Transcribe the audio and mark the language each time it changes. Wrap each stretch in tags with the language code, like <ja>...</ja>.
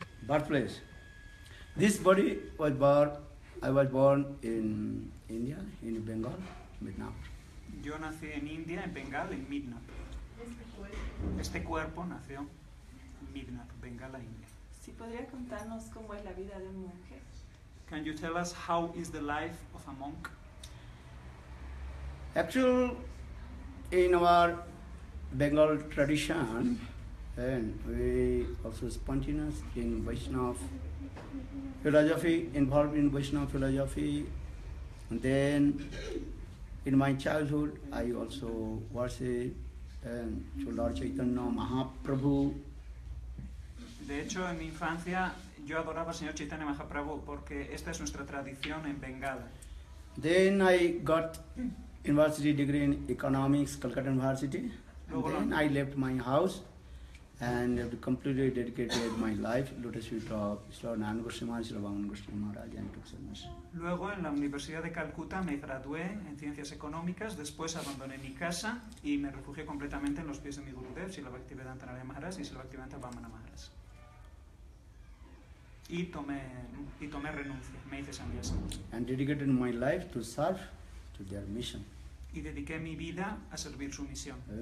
<en>birthplace this body was born in India in Bengal Midna</en> <es>yo nací en India en Bengal en Midna este cuerpo nació en Midna Bengal India. Si podría contarnos cómo es la vida de un monje.</es> <en>Can you tell us how is the life of a monk? Actually, in our Bengal tradition, then we also spontaneous in Vaishnava philosophy, involved in Vaishnava philosophy. And then in my childhood, I also worshipped to Lord Chaitanya Mahaprabhu.</en> <es>De hecho, en mi infancia yo adoraba al señor Chaitanya Mahaprabhu porque esta es nuestra tradición en Bengal.</es> <en>Then I got university degree in economics, Calcutta University. Then I left my house and have completely dedicated my life to lotus feet of Sri Nand Goswami Maharaj, Sri Bhagwan Goswami Maharaj and took service.</en> <es>Luego en la Universidad de Calcuta me gradué en ciencias económicas, después abandoné mi casa y me refugié completamente en los pies de mi Gurudev, Sri Bhaktivedanta Narayana Maharaj y Sri Bhaktivedanta Vamana Maharaj. Y tomé renuncia, me hice sannyasa.</es> <en>And dedicated my life to serve to their mission.</en> <es>Y dediqué mi vida a servir su misión.</es>